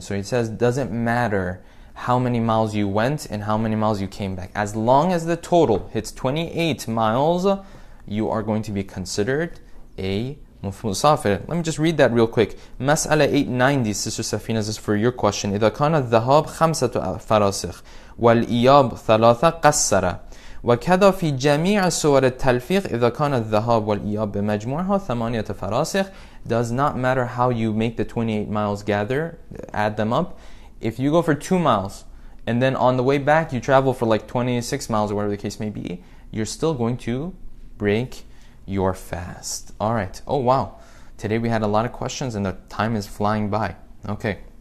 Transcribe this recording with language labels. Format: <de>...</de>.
<en>So he says, doesn't matter how many miles you went and how many miles you came back. As long as the total hits 28 miles, you are going to be considered a musafir. Let me just read that real quick. Mas'ala 890, Sister Safina, this is for your question.</en> <ar>إذا كان الذهاب خمسة فراسخ والإياب ثلاثة قصرة وكذا في جميع صور التلفيق إذا كان الذهاب والإياب بمجموعها ثمانية فراسخ.</ar> <en>Does not matter how you make the 28 miles gather, add them up. If you go for 2 miles and then on the way back you travel for like 26 miles or whatever the case may be, you're still going to break your fast. All right. Oh, wow. Today we had a lot of questions and the time is flying by. Okay.</en>